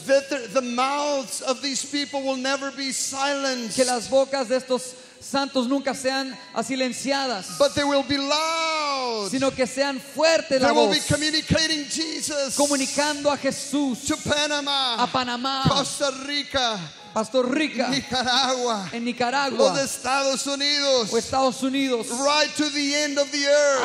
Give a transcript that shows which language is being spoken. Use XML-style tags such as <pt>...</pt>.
<en>That the mouths of these people will never be silenced.</en> <es>Que las bocas de estos santos nunca sean silenciadas.</es> <en>But they will be loud.</en> <es>Sino que sean fuertes la voz.</es> <en>They will be communicating Jesus.</en> <es>Comunicando a Jesús.</es> <en>To Panama.</en> <es>A Panamá.</es> <en>Costa Rica.</en> <es>Pastor Rica,</es> <en>Nicaragua,</en> <es>en Nicaragua, o de Estados Unidos, o Estados Unidos,</es> <en>right to the end of the earth,</en>